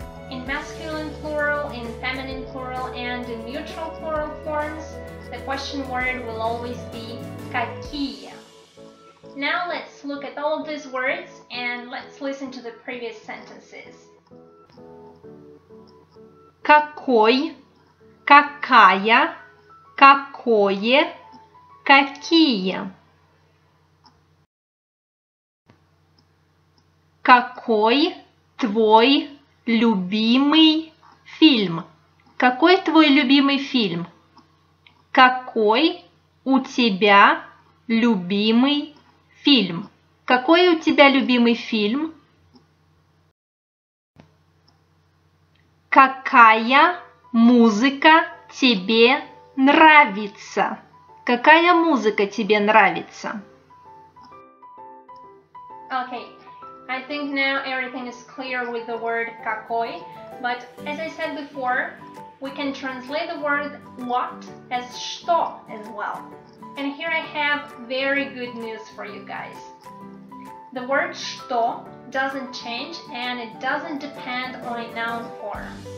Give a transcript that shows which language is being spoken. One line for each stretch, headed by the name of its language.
English: In masculine plural, in feminine plural, and in neutral plural forms, the question word will always be
Russian: Какие.
English: Now let's look at all these words and let's listen to the previous sentences.
Russian: Какой, какая, какое, какие. Какой твой любимый фильм? Какой твой любимый фильм? Какой у тебя любимый фильм? Какой у тебя любимый фильм? Какая музыка тебе нравится? Какая музыка тебе нравится?
English: Okay, I think now everything is clear with the word какой, but as I said before, we can translate the word what as что as well. And here I have very good news for you guys. The word что doesn't change and it doesn't depend on a noun form.